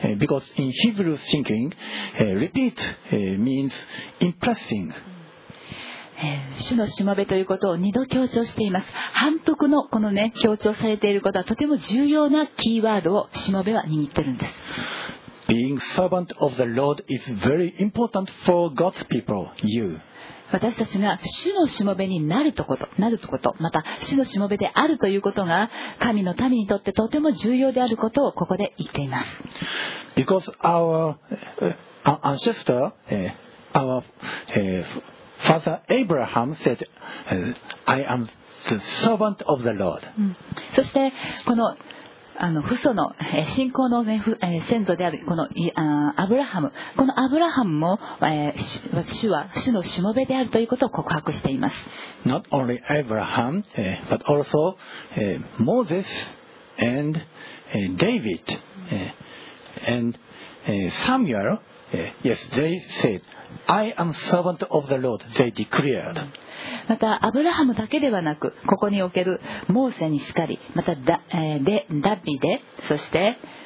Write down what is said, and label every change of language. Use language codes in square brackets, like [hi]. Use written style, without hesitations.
[en] Because in Hebrew thinking, repeat means impressing. [ja] 主のしもべということを二度強調しています。反復のこのね、強調されていることはとても重要なキーワードをしもべは握ってるんです。 [en] Being servant of the Lord is very important for God's people, you. [ja] 私たちが主のしもべになること、なること、また主のしもべであるということが神の民にとってとても重要であることをここで言っています。 [en] Because our ancestor our father Abraham said I am the servant of the Lord、 [ja] そしてこの父祖の信仰の先祖であるこのアブラハム、このアブラハムも主は主のしもべであるということを告白しています。 [en] Not only Abraham but also Moses and David and Samuel yes they said I am servant of the Lord they declared。 [ja] またアブラハムだけではなく、ここにおけるモーセにしかり、またダビデ、そして